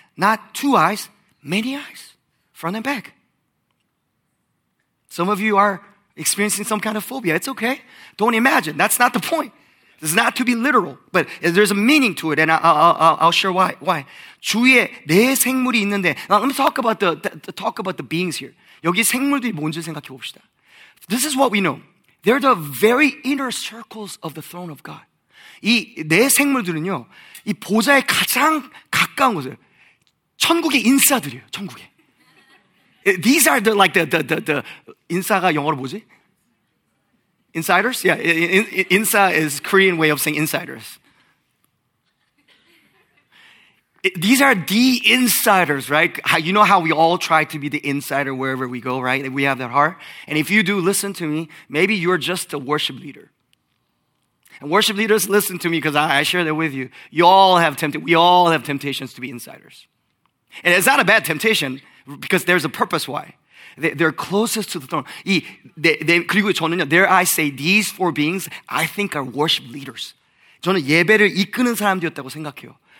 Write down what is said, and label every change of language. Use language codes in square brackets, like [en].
[en] Not two eyes, many eyes, front and back. Some of you are experiencing some kind of phobia. It's okay. Don't imagine. That's not the point. It's not to be literal, but there's a meaning to it, and I'll share why. Why? [ko] 주위에 네 생물이 있는데, [en] now let me talk about the beings here. [ko] 여기 생물들이 뭔지 생각해 봅시다. [en] This is what we know. They're the very inner circles of the throne of God. [ko] 이 네 생물들은요, 이 보좌에 가장 가까운 곳을 천국의 인싸들이에요. 천국에. [en] These are the [ko] 인싸가 영어로 뭐지? Insiders? [en] Yeah, insa is Korean way of saying insiders. These are the insiders, right? You know how we all try to be the insider wherever we go, right? We have that heart. And if you do, listen to me. Maybe you're just a worship leader. And worship leaders, listen to me because I share that with you. We all have temptations to be insiders. And it's not a bad temptation because there's a purpose why. They're closest to the throne. [ko] 그리고 저는요, [en] there I say these four beings, I think are worship leaders. [ko] 저는 예배를 이끄는 사람들이었다고 생각해요.